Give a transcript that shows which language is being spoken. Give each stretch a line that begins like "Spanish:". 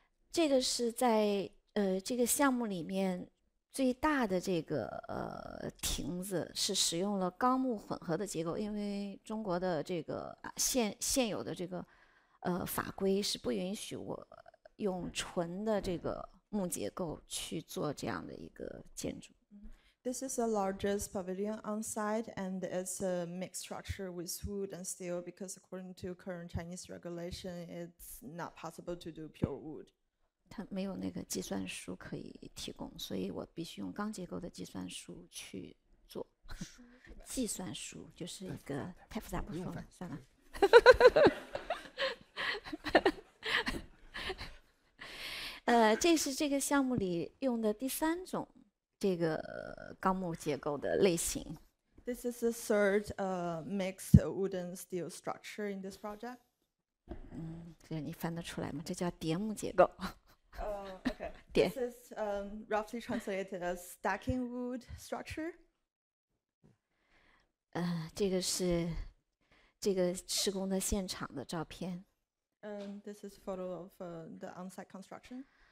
Chinese: 这个是在这个项目里面最大的这个亭子是使用了钢木混合的结构，因为中国的这个现有的这个法规是不允许我用纯的这个木结构去做这样的一个建筑。
English: This is the largest pavilion on site, and it's a mixed structure with wood and steel because, according to current Chinese regulation, it's not possible to do pure wood.
Chinese: 它没有那个计算书可以提供，所以我必须用钢结构的计算书去做。计算书就是一个太复杂，不说了，算了。这是这个项目里用的第三种。这个钢木结构的类型。
English: This is the third mixed wooden steel structure in this project.
Chinese: 这你翻得出来吗？这叫叠木结构。
English: Okay. This is roughly translated as stacking wood structure.
Chinese: 这个是这个施工的现场的照片。
English: This is a photo of the on-site construction.